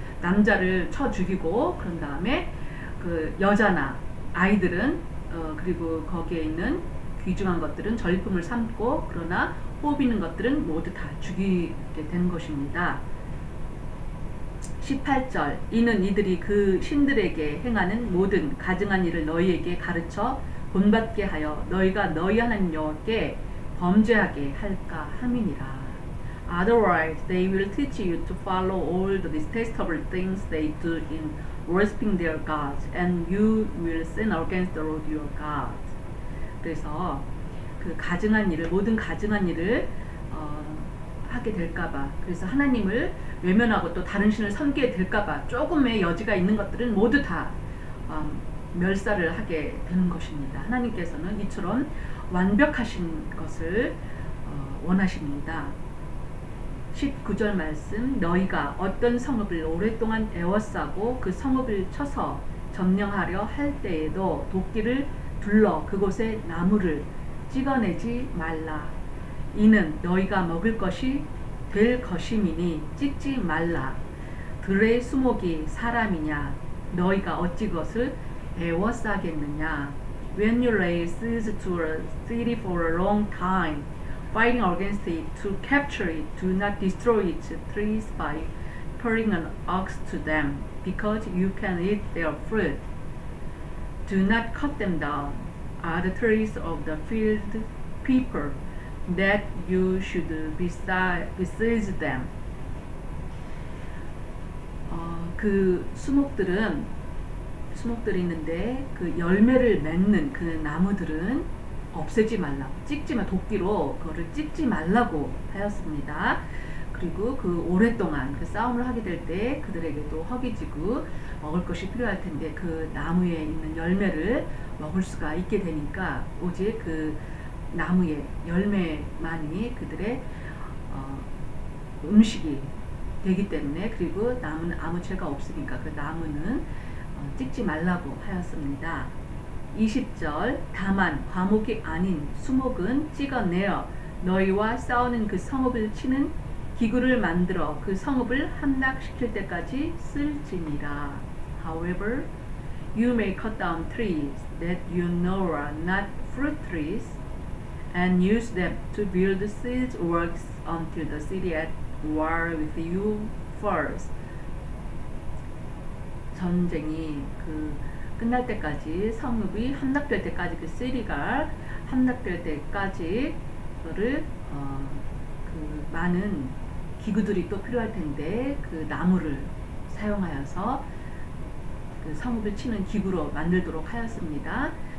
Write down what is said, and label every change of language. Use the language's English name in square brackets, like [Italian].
[Korean] 남자를 쳐 죽이고 그런 다음에 그 여자나 아이들은 그리고 거기에 있는 귀중한 것들은 전리품을 삼고 그러나 호흡 있는 것들은 모두 다 죽이게 된 것입니다. 18절 이는 이들이 그 신들에게 행하는 모든 가증한 일을 너희에게 가르쳐 본받게 하여 너희가 너희 하나님 여호와께 범죄하게 할까 함이니라. [English] Otherwise, they will teach you to follow all the detestable things they do in worshiping their gods, and you will sin against the Lord your God. [Korean] 그래서 그 가증한 일을 모든 가증한 일을 하게 될까봐, 그래서 하나님을 외면하고 또 다른 신을 섬기게 될까봐 조금의 여지가 있는 것들은 모두 다 멸사를 하게 되는 것입니다. 하나님께서는 이처럼 완벽하신 것을 원하십니다. 19절 말씀 너희가 어떤 성읍을 오랫동안 애워싸고 그 성읍을 쳐서 점령하려 할 때에도 도끼를 둘러 그곳에 나무를 찍어내지 말라. 이는 너희가 먹을 것이 될 것임이니 찍지 말라. 들의 수목이 사람이냐 너희가 어찌 그것을 애워싸겠느냐. [English] When you lay siege to a city for a long time, fighting against it to capture it, do not destroy its trees by putting an ox to them, because you can eat their fruit. Do not cut them down, are the trees of the field people, that you should besiege them. [Korean] 그 수목들이 있는데 그 열매를 맺는 그 나무들은 없애지 말라고, 도끼로 그거를 찍지 말라고 하였습니다. 그리고 그 오랫동안 그 싸움을 하게 될 때 그들에게도 허기지고 먹을 것이 필요할 텐데 그 나무에 있는 열매를 먹을 수가 있게 되니까 오직 그 나무의 열매만이 그들의 음식이 되기 때문에 그리고 나무는 아무 죄가 없으니까 그 나무는 찍지 말라고 하였습니다. 20절 다만 과목이 아닌 수목은 찍어내어 너희와 싸우는 그 성읍을 치는 기구를 만들어 그 성읍을 함락시킬 때까지 쓸지니라. [English] However, you may cut down trees that you know are not fruit trees and use them to build siege works until the city at war with you falls. [Korean] 전쟁이 그 끝날 때까지 성읍이 함락될 때까지 그 시리가 함락될 때까지 그거를 그 많은 기구들이 또 필요할 텐데 그 나무를 사용하여서 그 성읍을 치는 기구로 만들도록 하였습니다.